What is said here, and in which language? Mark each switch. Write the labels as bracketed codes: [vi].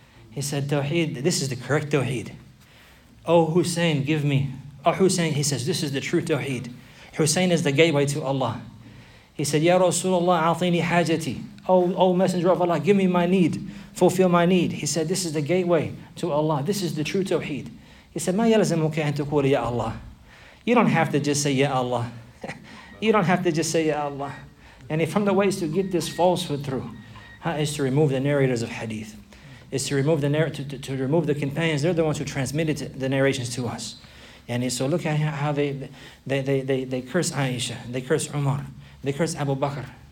[en] He said, Tawheed, this is the correct Tawheed. Oh Hussein, give me. Oh Hussein, he says, this is the true Tawheed. Hussein is the gateway to Allah. He said, [ar] Ya Rasulullah, a'tini hajati. [en] Oh Messenger of Allah, give me my need. Fulfill my need. He said, this is the gateway to Allah. This is the true Tawheed. He said, [ar] ما يلزمك أن تقول يا الله. [en] You don't have to just say Ya Allah. You don't have to just say Ya Allah. And from the ways to get this falsehood through is to remove the narrators of hadith. Is to remove the remove the companions. They're the ones who transmitted the narrations to us. And so look at how they curse Aisha, they curse Umar, they curse Abu Bakr.